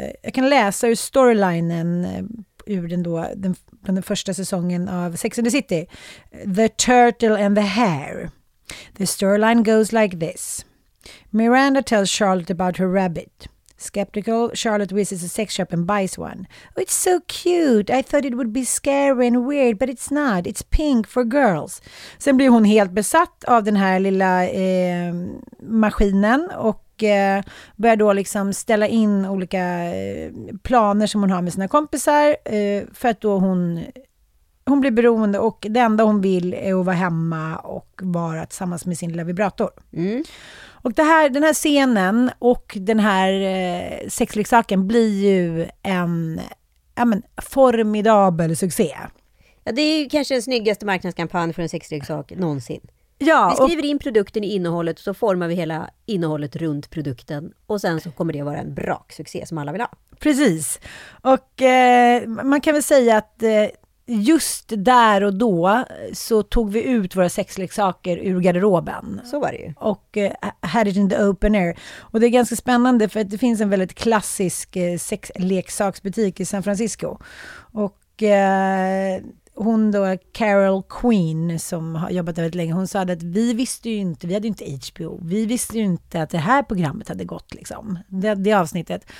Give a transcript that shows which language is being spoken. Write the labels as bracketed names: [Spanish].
[Swedish] jag kan läsa ur storylinen ur den, då, den första säsongen av Sex and the City. [English] The Turtle and the Hare. The storyline goes like this. Miranda tells Charlotte about her rabbit. Skeptical, Charlotte visits a sex shop and buys one. Oh, it's so cute. I thought it would be scary and weird, but it's not. It's pink for girls. [Swedish] Sen blir hon helt besatt av den här lilla maskinen och börjar då liksom ställa in olika planer som hon har med sina kompisar, för att då hon blir beroende, och det enda hon vill är att vara hemma och vara tillsammans med sin lilla vibrator. Mm. Och det här, den här scenen och den här sexleksaken blir ju en, ja, men formidabel succé. Ja, det är ju kanske den snyggaste marknadskampanj för en sexleksak någonsin. Ja, vi skriver in produkten i innehållet, så formar vi hela innehållet runt produkten, och sen så kommer det vara en braksuccé som alla vill ha. Precis. Och man kan väl säga att just där och då så tog vi ut våra sexleksaker ur garderoben. Så var det ju. Och [English] had it in the open air. [Swedish] Och det är ganska spännande, för att det finns en väldigt klassisk sexleksaksbutik i San Francisco. Och hon då, Carol Queen, som har jobbat väldigt länge, hon sa att vi visste ju inte, vi hade ju inte HBO, vi visste ju inte att det här programmet hade gått liksom, det avsnittet.